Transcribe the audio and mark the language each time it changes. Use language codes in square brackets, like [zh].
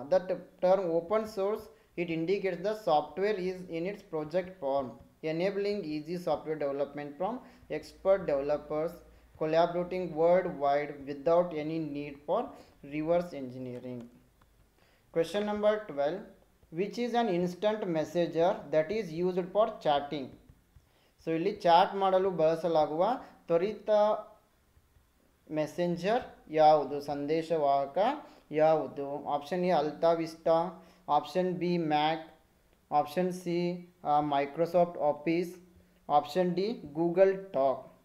[en] The term open source it indicates the software is in its project form, enabling easy software development from expert developers, collaborating worldwide without any need for reverse engineering. Question number 12. Which is an instant messenger that is used for chatting? [kn] So, ಇಲ್ಲಿ chat ಮಾಡಲು ಬಳಸಲಾಗುವ ತ್ವರಿತ messenger ಯಾವುದು, ಸಂದೇಶವಾಹಕ ಯಾವುದು? [en] Option A AltaVista, option B Mac, option C Microsoft Office, option D Google Talk.